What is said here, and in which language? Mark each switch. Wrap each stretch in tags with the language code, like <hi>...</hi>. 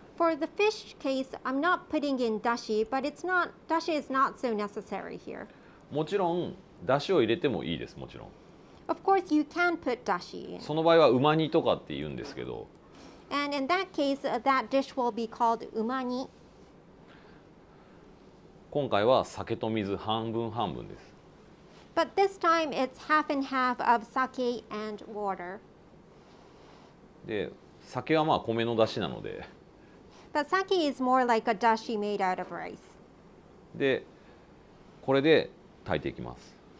<en>For the fish case, I'm not putting in dashi, but it's not, dashi is not so necessary here.</en> <ja>もちろん出汁を入れてもいいです、もちろん。</ja> <en>Of course, you can put dashi.</en> <ja>その場合はうま煮とかって言うんですけど。</ja> <en>And in that case, that dish will be called うま煮。</en> <ja>今回は酒と水半分半分です。</ja> <en>But this time it's half and half of sake and water.</en> <ja>で、酒はまあ米の出汁なので。</ja> <en>But sake is more like a dashi made out of rice.</en> <ja>で、これで炊いていきます。</ja>